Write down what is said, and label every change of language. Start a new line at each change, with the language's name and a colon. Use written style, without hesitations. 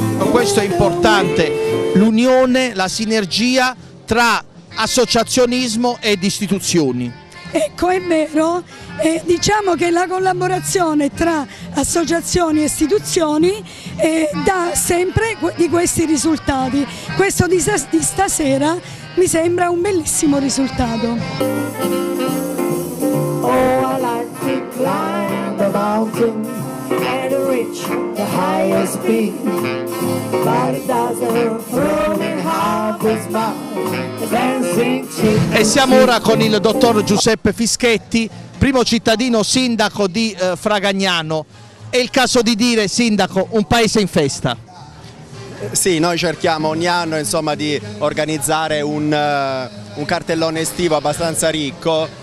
Italian: Questo è importante, l'unione, la sinergia tra associazionismo ed istituzioni. Ecco, è vero, diciamo che la collaborazione tra associazioni e istituzioni dà sempre di questi risultati. Questo di stasera mi sembra un bellissimo risultato.
English: Oh, I like to climb the mountain and reach the highest peak, but it doesn't throw me half as much.
Italian: E siamo ora con il dottor Giuseppe Fischetti, primo cittadino sindaco di Fragagnano. È il caso di dire, sindaco, un paese in festa. Sì, noi cerchiamo ogni anno, insomma, di organizzare un cartellone estivo abbastanza ricco.